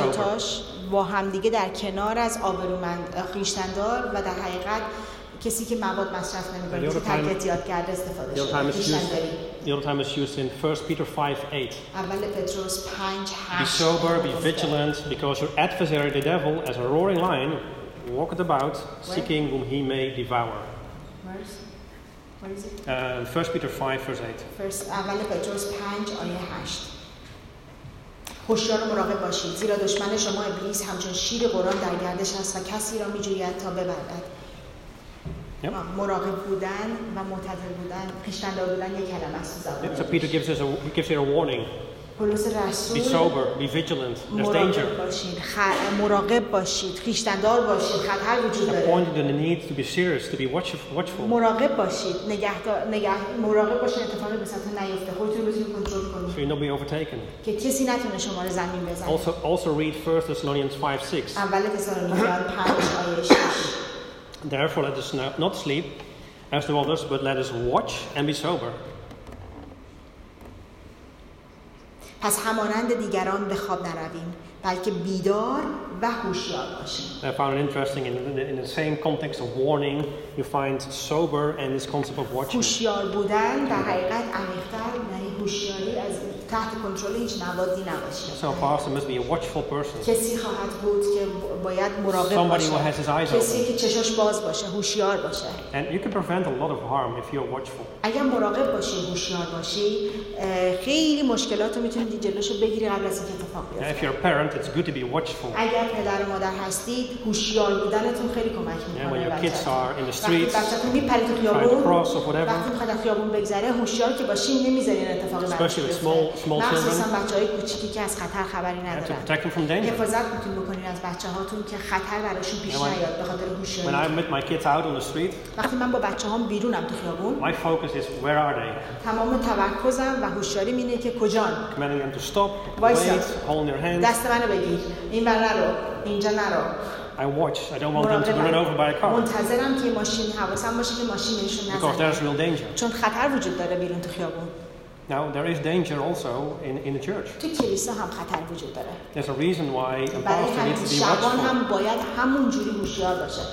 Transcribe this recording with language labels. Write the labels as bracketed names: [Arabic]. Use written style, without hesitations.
[Persian] هر دوتاش با هم دیگه در کنار از آبرومند، خیشتندار و در حقیقت کسی که مواد مصرف نمی‌کنه، که تکلیف یاد کرده استفاده شده. [English] The other time is used in 1 Peter 5:8. [Persian] اول پتروس 5:8. [English] Be sober, be vigilant, because your adversary, the devil, as a roaring lion, walketh about seeking whom he may devour. Where is it? 1 Peter 5, verse 8. [Persian] اول پتروس 5 آیه 8. هوشیار و مراقب باشید، زیرا دشمن شما ابلیس همچون شیر غران در گردش است و کسی را می‌جوید تا ببلعد. مراقب بودن و معتدل بودن، خویشتن‌دار بودن یک کلمه است زبان. [English] So Peter gives you a warning. Be sober, be vigilant. There's danger. [Persian] مراقب باشید، خویشتن‌دار باشید، خطر وجود داره. [English] Point to the need to be serious, to be watchful. [Persian] مراقب باشید، مراقب باشید اتفاقی به سمت نیفته، خودتون رو کنترل کنید. [English] So you'll not be overtaken. [Persian] که کسی نتونه شما رو زمین بزنه. [English] Also read 1 Thessalonians 5:6. [Persian] اول تسالونیکیان 5 آیه 6. [English] Therefore let us not sleep as the others, but let us watch and be sober. [Persian] پس همانند دیگران به خواب نرویم، بلکه بیدار و هوشیار باشیم. [English] I found it interesting in the same context of warning, you find sober and this concept of watching. [Persian] هوشیار بودن در حقیقت عمیق‌تر، یعنی هوشیاری از تحت کنترل هیچ نوادی نباشه. [English] So a pastor must be a watchful person. [Persian] کسی خواهد بود که باید مراقب باشه. [English] Somebody who has his eyes open. [Persian] کسی که چشاش باز باشه، هوشیار باشه. [English] And you can prevent a lot of harm if you're watchful. [Persian] اگر مراقب باشی، هوشیار باشی، خیلی مشکلات رو میتونی جلوشو بگیری قبل از اینکه اتفاق بیفته. [English] If you're a parent, it's good to be watchful. [Persian] اگر پدر و مادر هستید، هوشیار بودنتون خیلی کمک میکنه. [English] Yeah, when your kids are in the streets. [Persian] وقتی میپری تو خیابون، [English] trying to cross or whatever. [Persian] وقتی میخواد از خیابون بگذره، هوشیار که باشی نمیذاری اتفاق بیفته. [English] Especially small. [Persian] مخصوصا بچه های کوچیکی که از خطر خبری ندارن، حفاظت میتون بکنین از بچه هاتون که خطر براشون پیش نیاد به خاطر هوشیاری. وقتی من با بچه هام بیرونم تو خیابون، [English] my focus is where are they. [Persian] تمام تمرکزم و هوشیاری اینه که کجان. [English] Commanding them to stop, wait, hold your hands. [Persian] دست منو بگیر، این ور نرو، اینجا نرو. [English] I watch. I don't want them to run over by a car. [Persian] منتظرم که ماشین حواسم باشه که ماشین بهشون نزنه. [English] Because there's real danger. [Persian] چون خطر وجود داره بیرون تو خیابون. [English] Now there is danger also in the church. [Persian] تو کلیسا هم خطر وجود داره. [English] There's a reason why a pastor needs to be watchful. [Persian] شبان هم باید همون جوری هوشیار باشه.